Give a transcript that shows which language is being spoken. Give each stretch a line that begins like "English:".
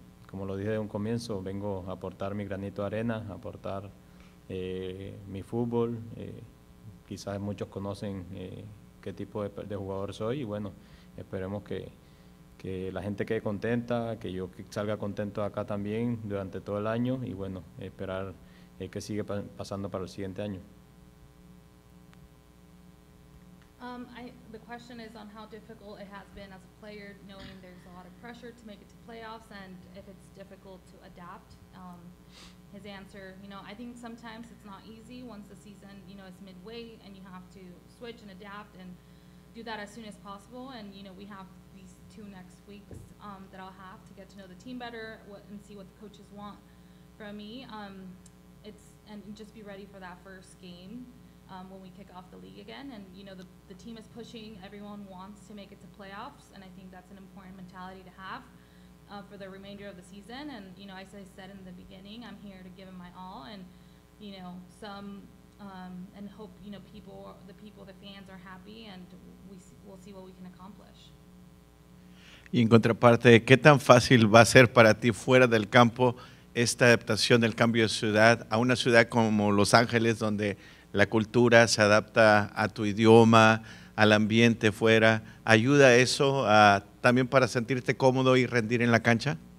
Spanish: como lo dije de un comienzo, vengo a aportar mi granito de arena, a aportar mi fútbol, quizás muchos conocen qué tipo de jugador soy y bueno, esperemos que la gente quede contenta, que yo salga contento acá también durante todo el año y bueno, esperar qué sigue pasando para el siguiente año.
English: The question is on how difficult it has been as a player, knowing there's a lot of pressure to make it to playoffs and if it's difficult to adapt. His answer, you know, I think sometimes it's not easy once the season, you know, is midway and you have to switch and adapt and do that as soon as possible. And, you know, we have these two next weeks that I'll have to get to know the team better and see what the coaches want from me. It's and just be ready for that first game when we kick off the league again. And, you know, the team is pushing. Everyone wants to make it to playoffs. And I think that's an important mentality to have for the remainder of the season. And, you know, as I said in the beginning, I'm here to give him my all and, you know, some and hope, you know, the fans are happy and we'll see what we can accomplish.
Spanish: Y en contraparte, ¿qué tan fácil va a ser para ti fuera del campo esta adaptación del cambio de ciudad a una ciudad como Los Ángeles donde la cultura se adapta a tu idioma, al ambiente fuera? ¿Ayuda eso a también para sentirte cómodo y rendir en la cancha?